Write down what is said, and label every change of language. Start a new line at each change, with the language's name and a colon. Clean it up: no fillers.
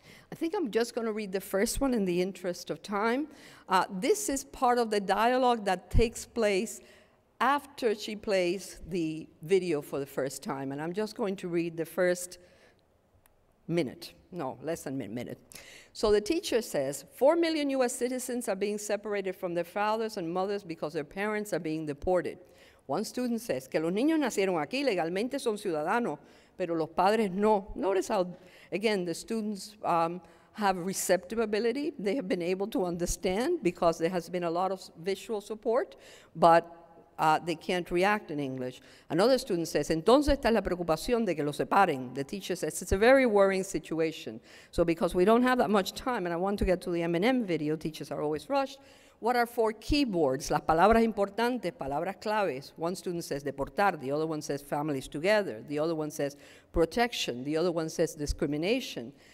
English: I think I'm just going to read the first one in the interest of time. This is part of the dialogue that takes place after she plays the video for the first time, and I'm just going to read the first minute, no, less than a minute. So the teacher says, 4 million US citizens are being separated from their fathers and mothers because their parents are being deported.
Spanish: One student says, que los niños nacieron aquí, legalmente son ciudadanos, pero los padres no.
English: Notice how, again, the students have receptive ability. They have been able to understand because there has been a lot of visual support, but they can't react in English.
Spanish: Another student says, entonces está la preocupación de que los separen.
English: The teacher says, it's a very worrying situation. So because we don't have that much time, and I want to get to the M&M video, teachers are always rushed. What are 4 keywords?
Spanish: Las palabras importantes, palabras claves.
English: One student says deportar, the other one says families together, the other one says protection, the other one says discrimination.